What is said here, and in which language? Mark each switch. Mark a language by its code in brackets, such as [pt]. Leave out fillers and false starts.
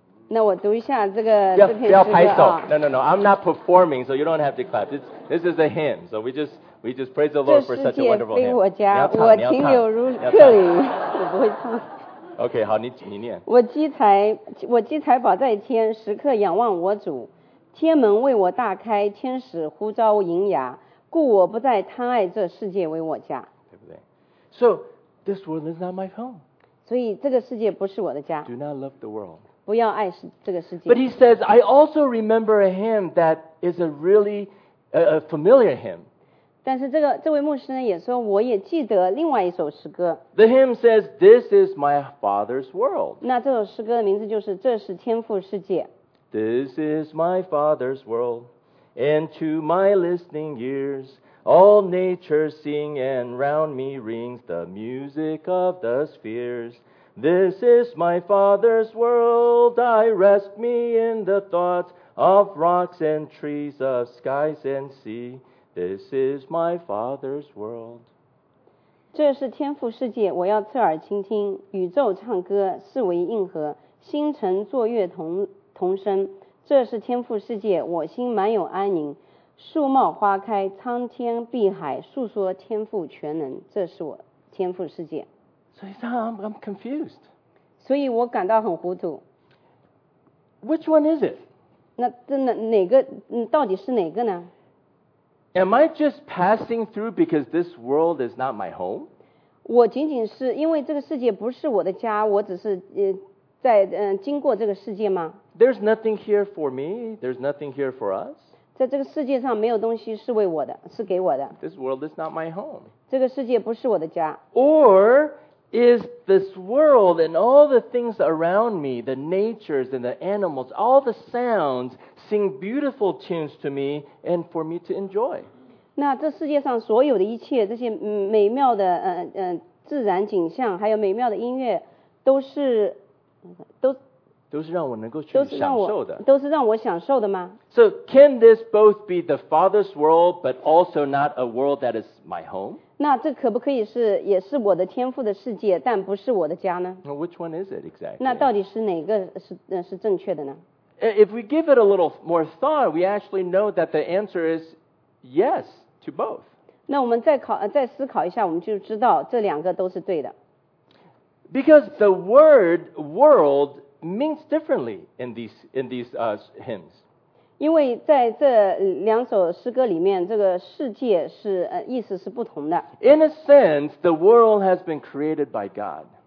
[zh] 那我读一下这个不要拍手。 [en] No, I'm not performing, so you don't have to clap. This is a hymn, so we just praise the Lord for such a wonderful hymn. [zh] 这世界非我家，我停留如客旅，我不会唱。 OK, 好，你念。我积财宝在天，时刻仰望我主。天门为我大开，天使呼召迎雅，故我不再贪爱这世界为我家。对不对 [en] ？So this world is not my home. [zh] 所以这个世界不是我的家。 [en] Do not love the world. [zh] 不要爱这个世界。 [en] But he says, "I also remember a hymn that is a really a familiar hymn." [zh] 但是这位牧师呢也说，我也记得另外一首诗歌。 [en] The hymn says, "This is my Father's world." [zh] 那这首诗歌的名字就是《这是天父世界》。 [en] This is my Father's world, and to my listening ears, all nature sing and round me rings the music of the spheres. This is my Father's world, I rest me in the thoughts of rocks and trees, of skies and sea. This is my Father's world. [zh] 这是天父世界，我要侧耳倾听，宇宙唱歌，四维应和，星辰作乐同声，这是天父世界，我心满有安宁，树茂花开，苍天碧海，诉说天父全能，这是我天父世界。 [en] So he said, I'm confused. [zh] 所以我感到很糊涂。 [en] Which one is it? [zh] 那哪个，到底是哪个呢？ [en] Am I just passing through because this world is not my home? [zh] 我仅仅是因为这个世界不是我的家，我只是在经过这个世界吗？ [en] There's nothing here for me. There's nothing here for us. [zh] 在这个世界上没有东西是为我的，是给我的。 [en] This world is not my home. [zh] 这个世界不是我的家。 [en] Or is this world and all the things around me, the natures and the animals, all the sounds sing beautiful tunes to me and for me to enjoy? [zh] 那这世界上所有的一切，这些美妙的自然景象，还有美妙的音乐，都是都。都是让我享受的吗? [en] So can this both be the Father's world, but also not a world that is my home? [zh] 那这可不可以是也是我的天父的世界，但不是我的家呢? [en] Well, which one is it exactly? [zh] 那到底是哪个是正确的呢? [en] If we give it a little more thought, we actually know that the answer is yes to both. [zh] 那我们再思考一下，我们就知道这两个都是对的。 [en] Because the word world means differently in these hymns. [zh] 因为在这两首诗歌里面，这个世界是意思是不同的。 [en] In a sense, the world has been created by God.